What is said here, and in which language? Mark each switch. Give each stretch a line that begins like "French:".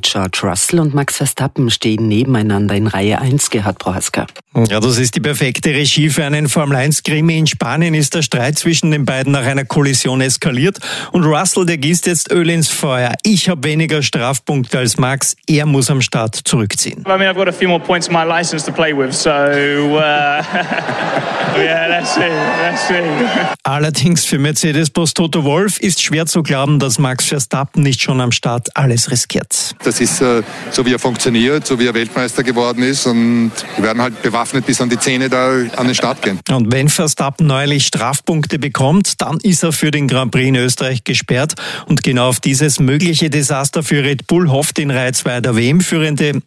German: George Russell und Max Verstappen stehen nebeneinander in Reihe 1, Gerhard Prohaska. Ja, das ist die perfekte Regie für einen Formel-1-Krimi. In Spanien ist der Streit zwischen den beiden nach einer Kollision eskaliert und Russell, der gießt jetzt Öl ins Feuer. Ich habe weniger Strafpunkte als Max. Er muss am Start zurückziehen.
English: I mean, I've got a few more points in my license to play with, so yeah, let's see.
German: Allerdings für Mercedes-Boss Toto Wolff ist schwer zu glauben, dass Max Verstappen nicht schon am Start alles riskiert. Das ist so, wie er funktioniert, so wie er Weltmeister geworden ist, und wir werden halt bewaffnet bis an die Zähne da an den Start gehen. Und wenn Verstappen neulich Strafpunkte bekommt, dann ist er für den Grand Prix in Österreich gesperrt, und genau auf dieses mögliche Desaster für Red Bull hofft in Reihe 2 der WM-Führende.